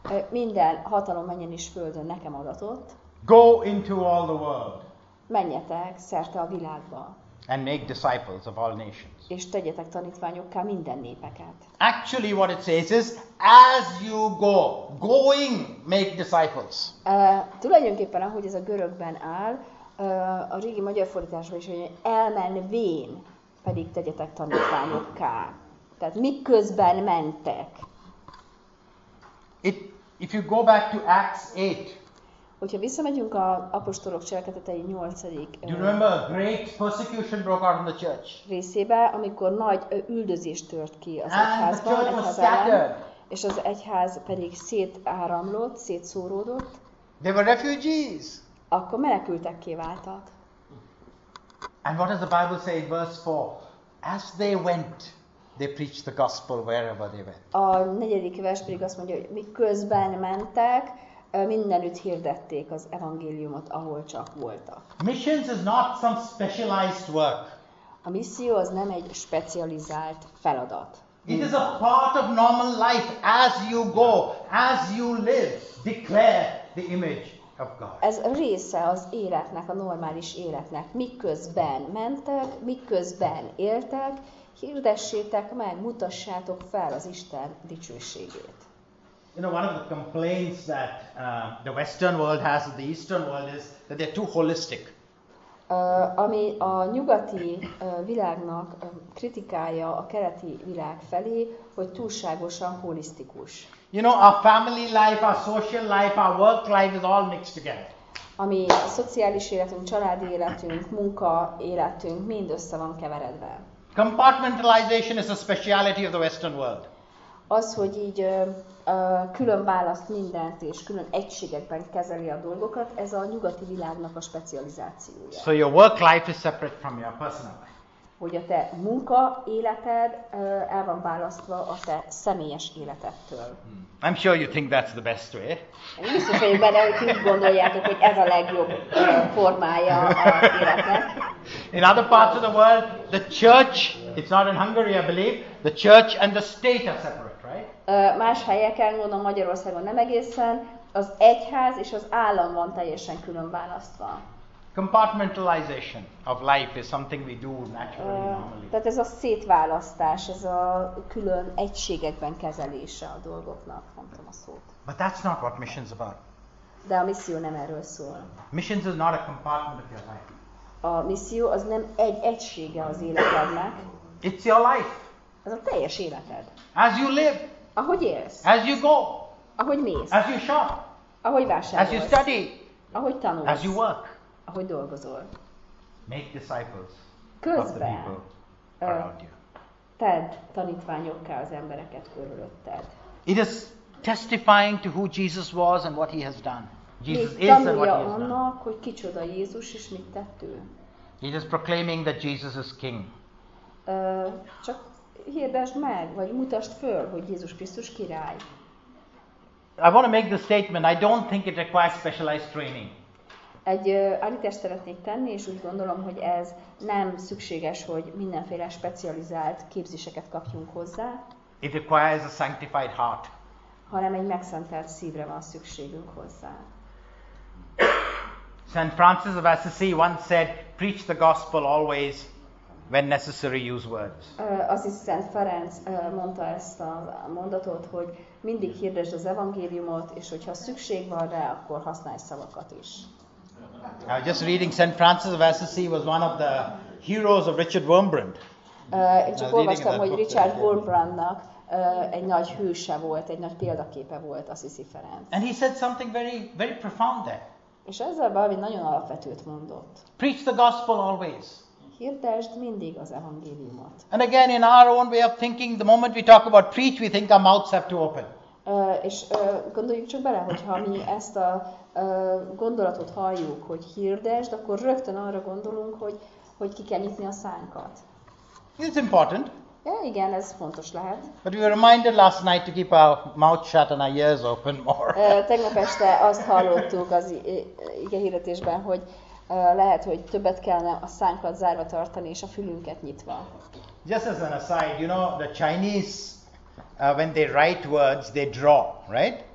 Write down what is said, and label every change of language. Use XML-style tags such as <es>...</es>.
<hu>Minden hatalom mennyen is földön nekem adatott.</hu> <en>Go into all the world.</en> <hu>Menjetek szerte a világba.</hu> <en>And make disciples of all nations.</en> <hu>És tegyetek tanítványokká minden népeket.</hu> <en>Actually what it says is, as you go, going, make disciples.</en> <hu>Tulajdonképpen ahogy ez a görögben áll, a régi magyar fordításban is, hogy elmenvén pedig tegyetek tanítványokká. Tehát miközben mentek.</hu> <en>If you go back to Acts 8.</en> <hu>Hogyha visszamegyünk a apostolok cselekedetei 8.</hu> <en>Do you remember great persecution broke out in the church?</en> <hu>Részébe, amikor nagy üldözés tört ki az</hu> <en>and</en> <hu>egyházban,</hu> <en>the church was scattered.</en> <hu>És az egyház pedig szétáramlott, szétszóródott.</hu> <en>They were refugees.</en> <hu>Akkor menekültekké váltak.</hu> <en>And what does the Bible say in verse 4? As they went, they preached the gospel wherever they went.</en> <hu>A 4. vers pedig azt mondja, hogy miközben mentek, mindenütt hirdették az evangéliumot, ahol csak voltak.</hu> <en>Missions is not some specialized work.</en> <hu>A misszió az nem egy specializált feladat.</hu> <en>It is a part of normal life as you go, as you live, declare the image of God.</en> <hu>Ez része az életnek, a normális életnek. Miközben mentek, miközben éltek, hirdessétek meg, mutassátok fel az Isten dicsőségét.</hu> <en>You know, one of the complaints that the Western world has with the Eastern world is that they're too holistic.</en> <hu>Ami a nyugati világnak kritikája a keleti világ felé, hogy túlságosan holisztikus.</hu> <en>You know, our family life, our social life, our work life is all mixed together.</en> <hu>Ami a szociális életünk, családi életünk, munka életünk mind össze van keveredve.</hu> <en>Compartmentalization is a speciality of the Western world.</en> <hu>Az, hogy így külön választ mindent, és külön egységekben kezeli a dolgokat, ez a nyugati világnak a specializációja.</hu> <en>So your work life is separate from your personal life.</en> <hu>Hogy a te munka életed el van választva a te személyes életedtől.</hu> <en>I'm sure you think that's the best way.</en> <hu>Én biztos vagyok benne, hogy úgy gondoljátok, hogy ez a legjobb formája az életnek.</hu> <en>In other parts of the world, the church, it's not in Hungary, I believe, the church and the state are separate, right?</en> <hu>Más helyeken, gondolom Magyarországon nem egészen, az egyház és az állam van teljesen külön választva.</hu> <en>Compartmentalization of life is something we do naturally, normally.</en> <hu>Tehát ez a szétválasztás, ez a külön egységekben kezelése a dolgoknak, mondtam a szót.</hu> <en>But that's not what mission's about.</en> <hu>De a misszió nem erről szól.</hu> <en>Missions is not a compartment of your life.</en> <hu>A misszió az nem egy egysége az életednek.</hu> <en>It's your life.</en> <hu>Ez a teljes életed.</hu> <en>As you live.</en> <hu>Ahogy élsz.</hu> <en>As you go.</en> <hu>Ahogy mész.</hu> <en>As you shop.</en> <hu>Ahogy vásárolsz.</hu> <en>As you study.</en> <hu>Ahogy tanulsz.</hu> <en>As you work.</en> <hu>Ahogy dolgozol.</hu> <en>Make disciples.</en> <hu>Közben. Tedd tanítványokká az embereket körülötted.</hu> <en>It is testifying to who Jesus was and what he has done. Jesus is and what he has done.</en> <hu>Annak, hogy kicsoda Jézus és mit tett ő.</hu> <en>He is proclaiming that Jesus is king.</en> <hu>Csak hirdesd meg, vagy mutasd föl, hogy Jézus Krisztus király.</hu> <en>I want to make the statement, I don't think it requires specialized training.</en> <hu>Egy állítást szeretnék tenni, és úgy gondolom, hogy ez nem szükséges, hogy mindenféle specializált képzéseket kapjunk hozzá.</hu> <en>It requires a sanctified heart.</en> <hu>Hanem egy megszentelt szívre van szükségünk hozzá.</hu> <en>Saint Francis of Assisi once said, preach the gospel always, when necessary use words.</en> <hu>Azt Saint Ferenc mondta ezt a mondatot, hogy mindig hirdesd az evangéliumot, és hogyha szükség van rá, akkor használj szavakat is.</hu> <en>I was just reading Saint Francis of Assisi was one of the heroes of Richard Wurmbrand.</en> <hu>Én csak olvastam, hogy Richard Wurmbrandnak egy nagy hőse volt, egy nagy példaképe volt a Assisi Ferenc.</hu> <en>And he said something very, very profound there.</en> <hu>És ezzel valami nagyon alapvetőt mondott.</hu> <en>Preach the gospel always.</en> <hu>Hirdesd mindig az evangéliumot.</hu> <en>And again, in our own way of thinking, the moment we talk about preach, we think our mouths have to open.</en> <hu>És gondoljuk csak bele, hogyha mi ezt a gondolatot halljuk, hogy hirdesd, akkor rögtön arra gondolunk, hogy ki kell nyitni a szánkat.</hu> <en>It's important.</en> <hu>Ja, igen, ez fontos lehet.</hu> <en>But we were reminded last night to keep our mouth shut and our ears open more.</en> <hu>Tegnap este azt hallottuk az ige hirdetésben, hogy lehet, hogy többet kellene a szánkat zárva tartani és a fülünket nyitva.</hu> <en>Just as an aside, you know, the Chinese, when they write words, they draw, right?</en>